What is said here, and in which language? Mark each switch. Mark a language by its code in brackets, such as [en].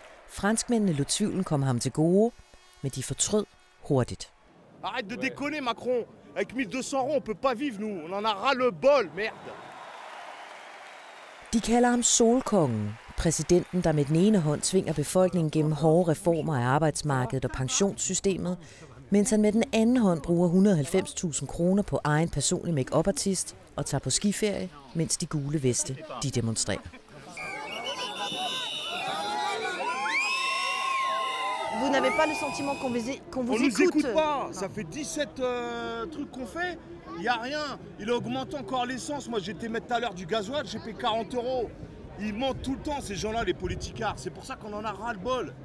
[da] Franskmændene lod tvivlen komme ham til gode, men de fortrød hurtigt. [fr] Arrête de déconner Macron. Avec 1200 euros, on peut pas vivre nous. On en a ras le bol, merde. [da] De kalder ham solkongen. Præsidenten, der med den ene hånd tvinger befolkningen gennem hårde reformer af arbejdsmarkedet og pensionssystemet, mens han med den anden hånd bruger 190.000 kroner på egen personlig make-up-artist og tager på skiferie, mens de gule veste de demonstrerer. [fr] vous n'avez pas le sentiment qu'on vous écoute. On nous écoute pas. Ça fait 17 trucs qu'on fait. Il n'y a rien. Il a augmenté encore l'essence. Moi, j'étais mettre tout à l'heure du gasoil. J'ai payé 40 euros. Ils mentent tout le temps, ces gens-là, les politicards. C'est pour ça qu'on en a ras le bol.